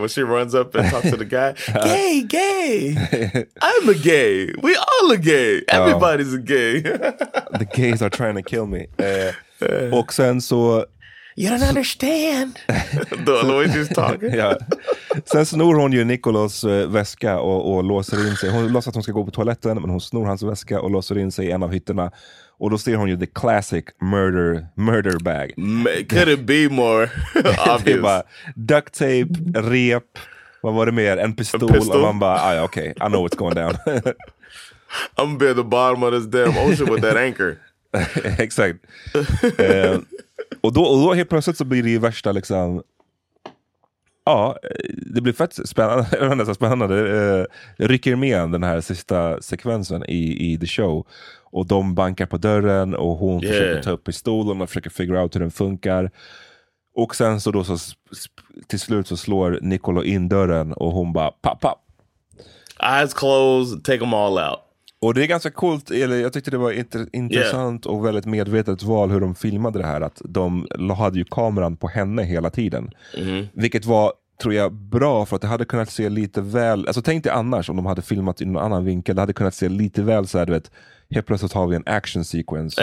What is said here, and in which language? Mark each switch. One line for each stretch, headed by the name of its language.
English: When she runs up and talks to the guy. Gay. I'm a gay. We all are gay. Everybody's a gay. The gays are trying to kill me.
Swedish: Och sen så
English: You don't understand.
Swedish: Då
English: Lois is talking.
Swedish: Ja. Sen snor hon ju Nikolas väska och låser in sig. Hon låtsas att hon ska gå på toaletten, men hon snor hans väska och låser in sig i en av hytterna. Och då ser hon ju
English: the classic murder bag. Could it be more obvious?
Swedish: Bara, duct tape, rep, vad var det mer? En pistol. Och man bara,
English: ah, okay, I know what's going down. I'm gonna be at the bottom of this damn ocean with that anchor.
Swedish: Exakt. Och då helt plötsligt så blir det ju värsta liksom. Ja, det blir fett spännande. Spännande. Rycker med den här sista sekvensen i
English: the show.
Swedish: Och de bankar på dörren och hon försöker ta upp pistolen och försöker
English: figure out
Swedish: hur den funkar. Och sen så då så till slut så slår Nicolo in dörren och hon bara pop, pop.
English: Eyes closed, take them all out.
Swedish: Och det är ganska coolt, eller jag tyckte det var intressant och väldigt medvetet val hur de filmade det här, att de hade ju kameran på henne hela tiden. Mm-hmm. Vilket var, tror jag, bra, för att det hade kunnat se lite väl, alltså tänk dig annars om de hade filmat i någon annan vinkel, det hade kunnat se lite väl så här, du vet, helt plötsligt har vi en action sequence,